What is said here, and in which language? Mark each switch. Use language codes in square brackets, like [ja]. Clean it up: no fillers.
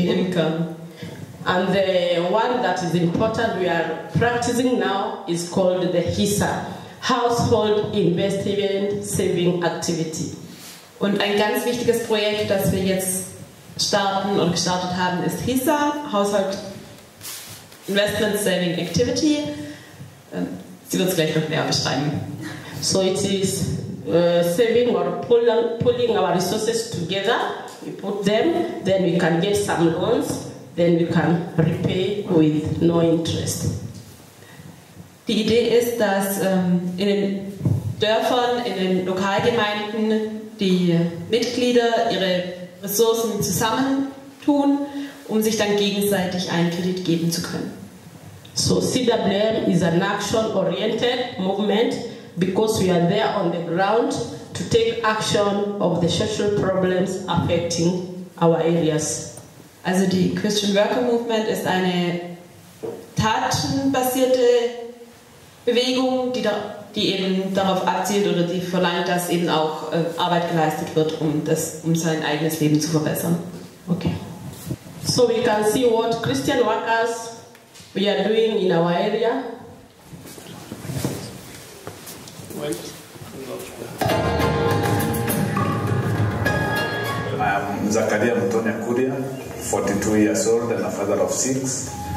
[en] And the one that is important we are practicing now is called the HISA, Household Investment Saving Activity. [de] Und ein ganz wichtiges Projekt, das wir jetzt starten und gestartet haben, ist HISA, Household Investment Saving Activity. Sie wird es gleich noch näher beschreiben. [en] So it is saving or pulling our resources together. We put them, then we can get some loans, then we can repay with no interest. [de] Die Idee ist, dass in den Dörfern, in den Lokalgemeinden die Mitglieder ihre Ressourcen zusammentun, um sich dann gegenseitig einen Kredit geben zu können. [en] So CWM is an action-oriented movement because we are there on the ground to take action of the social problems affecting our areas. [de] Also die Christian Worker Movement ist eine tatenbasierte Bewegung, die eben darauf abzielt oder die verlangt, dass eben auch Arbeit geleistet wird, um sein eigenes Leben zu verbessern. [en] Okay. So we can see what Christian Workers we are doing in our area. I am Zakaria Mutoni Akuria, 42 years old and a father of 6.